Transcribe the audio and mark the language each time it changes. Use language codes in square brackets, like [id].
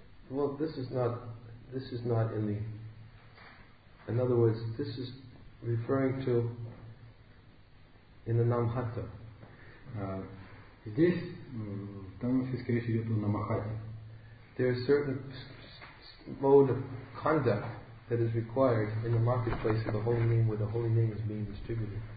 [en] Well, this is not in the. In other words, this is referring to in the Namhatta. [ru] Здесь в данном случае речь идет о Намхатте. [en] There is certain mode of conduct that is required in the marketplace of the holy name where the holy name is being distributed.